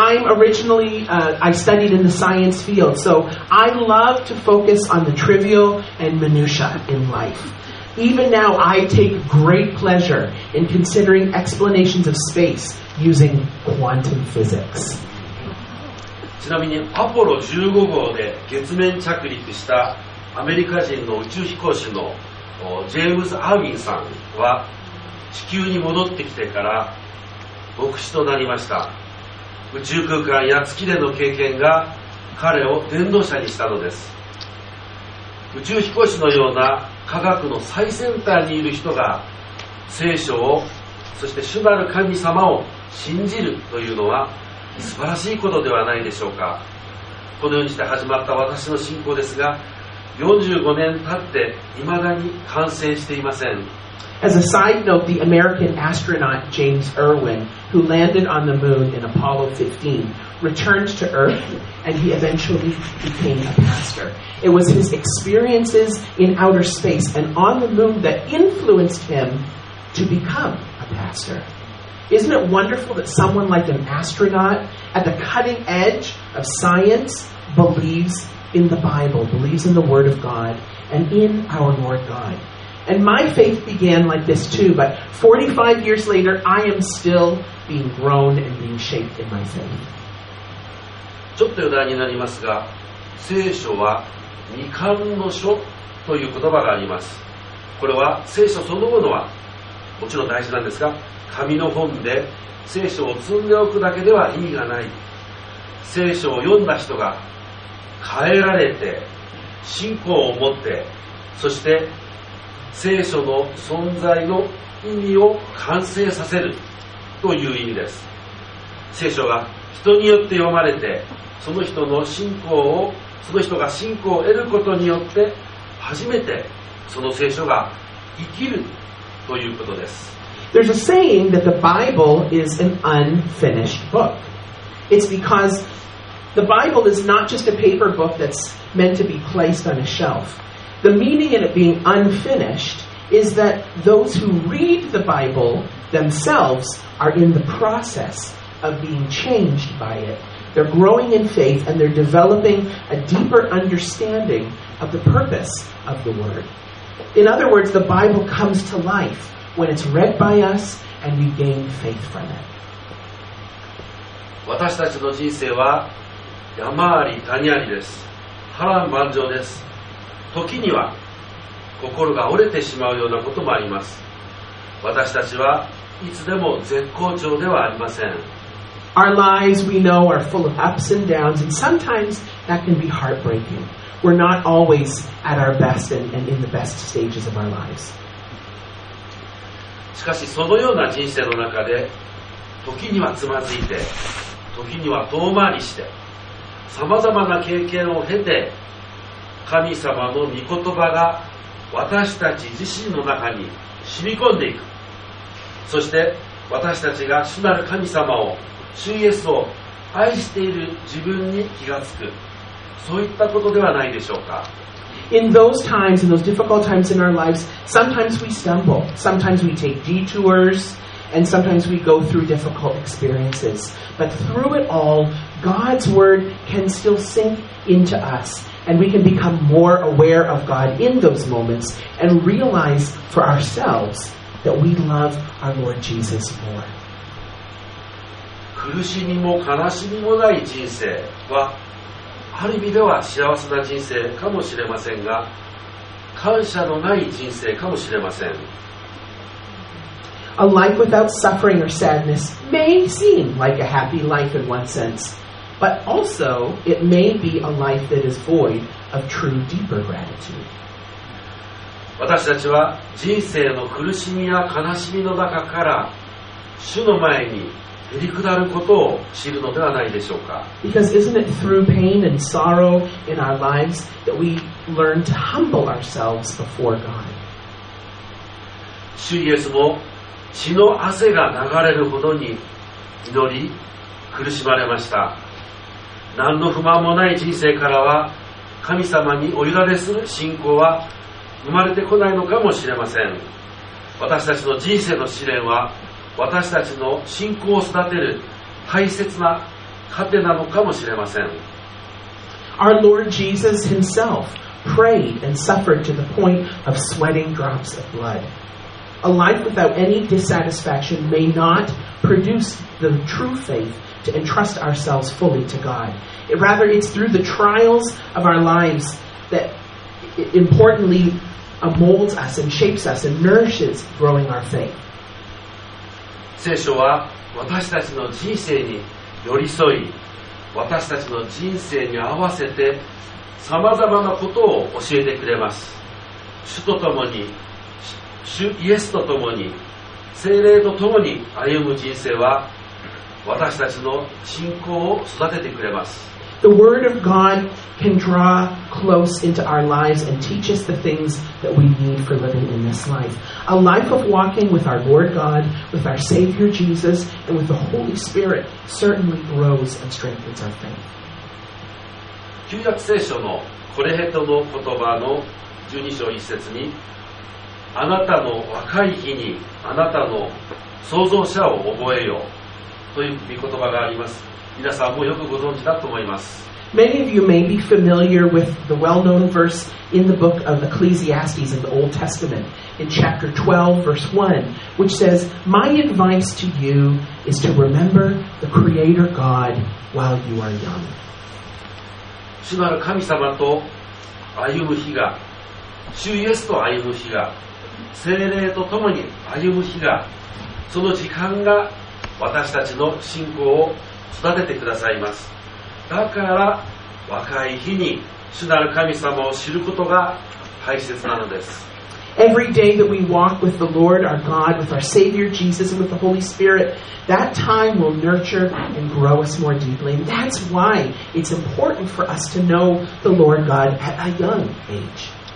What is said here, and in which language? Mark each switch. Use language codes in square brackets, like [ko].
[en] I studied in the science field, so I love to focus on the trivial and minutiae in life. Even now, I take great pleasure in considering explanations of space using quantum physics. [ja] ちなみにアポロ15号で月面着陸したアメリカ人の宇宙飛行士のジェームズ・アーウィンさんは地球に戻ってきてから牧師となりました。宇宙空間や月での経験が彼を伝道者にしたのです。宇宙飛行士のような科学の最先端にいる人が聖書を、そして主なる神様を信じるというのは素晴らしいことではないでしょうか。このようにして始まった私の信仰ですが、45年経って未だに完成していません。 [en] As a side note, the American astronaut James Irwin, who landed on the moon in Apollo 15, returned to Earth and he eventually became a pastor. It was his experiences in outer space and on the moon that influenced him to become a pastor. Isn't it wonderful that someone like an astronaut at the cutting edge of science believes in the Bible, believes in the Word of God and in our Lord God? And my faith began like this too, but 45 years later, I am still being grown and being shaped in my faith. [ja] ちょっと余談になりますが、聖書は未完の書という言葉があります。これは聖書そのものはもちろん大事なんですが、紙の本で聖書を積んでおくだけでは意味がない。聖書を読んだ人が変えられて、信仰を持って、そして聖書の存在の意味を完成させるという意味です。聖書が人によって読まれて、その人の信仰を、その人が信仰を得ることによって、初めてその聖書が生きるということです。 [en] There's a saying that the Bible is an unfinished book. It's because the Bible is not just a paper book that's meant to be placed on a shelf. The meaning in it being unfinished is that those who read the Bible themselves are in the process of being changed by it. They're growing in faith and they're developing a deeper understanding of the purpose of the Word. In other words, the Bible comes to life when it's read by us and we gain faith from it. [ja] 私たちの人生は山あり谷ありです。波乱万丈です。時には心が折れてしまうようなこともあります。私たちはいつでも絶好調ではありません。 [en] Our lives, we know, are full of ups and downs, and sometimes that can be heartbreaking. We're not always at our best and in the best stages of our lives. [ja] しかしそのような人生の中で、時にはつまずいて、時には遠回りして、さまざまな経験を経て、神様の御言葉が私たち自身の中に染み込んでいく。そして私たちが主なる神様を、主イエスを愛している自分に気がつく。そういったことではないでしょうか。 [en] In those times, in those difficult times in our lives, sometimes we stumble, sometimes we take detours, and sometimes we go through difficult experiences. But through it all, God's word can still sink into us, and we can become more aware of God in those moments and realize for ourselves that we love our Lord Jesus more. [ja] 苦しみも悲しみもない人生は、ある意味では幸せな人生かもしれませんが、感謝のない人生かもしれません。 [en] A life without suffering or sadness may seem like a happy life in one sense, but also it may be a life that is void of true deeper gratitude. [ja] 私たちは人生の苦しみや悲しみの中から主の前にへりくだることを知るのではないでしょうか。 [en] Because isn't it through pain and sorrow in our lives that we learn to humble ourselves before God? [ja] 主イエスも血の汗が流れるほどに祈り苦しまれました。何の不満もない人生からは神様にお委ねする信仰は生まれてこないのかもしれません。私たちの人生の試練は私たちの信仰を育てる大切な糧なのかもしれません。 [en] Our Lord Jesus himself prayed and suffered to the point of sweating drops of blood. A life without any dissatisfaction may not produce the true faith to entrust ourselves fully to God. It, rather, it's through the trials of our lives that importantly molds us and shapes us and nourishes growing our faith. [ja] 聖書は私たちの人生に寄り添い、私たちの人生に合わせてさまざまなことを教えてくれます。主と共に、主イエスと共に、聖霊と共に歩む人生は私たちの信仰を育ててくれます。 [en] The word of God can draw close into our lives and teach us the things that we need for living in this life. A life of walking with our Lord God, with our Savior Jesus, and with the Holy Spirit certainly grows and strengthens our faith. [ja] 旧約聖書のコレヘトの言葉の12章1節に、あなたの若い日にあなたの創造者を覚えよという御言葉があります。皆さんもよくご存知だと思います。 [en] Many of you may be familiar with the well-known verse in the book of Ecclesiastes in the Old Testament, in chapter 12, verse 1, which says, My advice to you is to remember the Creator God while you are young. [ja] 主なる神様と歩む日が、主イエスと歩む日が、聖霊と共に歩む日が、その時間が私たちの信仰を育ててくださいます。だから若い日に主なる神様を知ることが大切なのです。 [en] Every day that we walk with the Lord, our God, with our Savior Jesus, and with the Holy Spirit, that time will nurture and grow us more deeply. And that's why it's important for us to know the Lord God at a young age.